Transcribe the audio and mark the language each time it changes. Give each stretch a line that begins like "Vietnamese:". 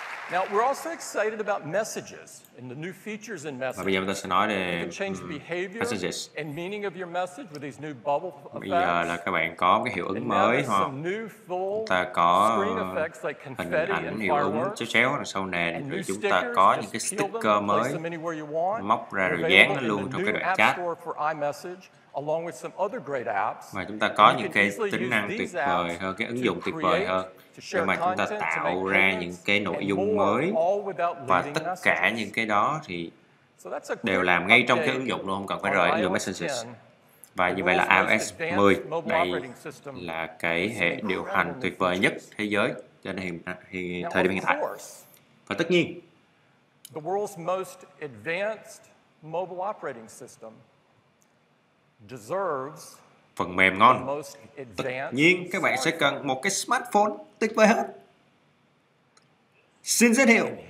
English: Now we're also excited about messages and the new features in messages.
Vietnamese: Và bây giờ ta sẽ nói về
English: messages and meaning of your message with these new bubble effects.
Vietnamese: Bây giờ là các bạn có cái hiệu ứng mới ha. Ta có hình ảnh hiệu ứng chéo chéo đằng sau nền, rồi chúng ta có những cái sticker mới móc ra rồi dán nó luôn trong cái đoạn chat.
English: Along with some other great apps.
Vietnamese: Và chúng ta có những cái tính năng tuyệt vời hơn, cái ứng dụng tuyệt vời hơn để mà chúng ta tạo ra những cái nội dung mới. Và tất cả những cái đó thì đều làm ngay trong cái ứng dụng luôn, không cần phải rời ứng dụng Messages. Và như vậy là iOS 10, đây là cái hệ điều hành tuyệt vời nhất thế giới cho đến thời điểm hiện tại. Và tất nhiên,
English: the world's most advanced mobile operating system deserves
Vietnamese: phần mềm ngon. Tất nhiên các bạn sẽ cần một cái smartphone tuyệt vời hơn. Xin giới thiệu.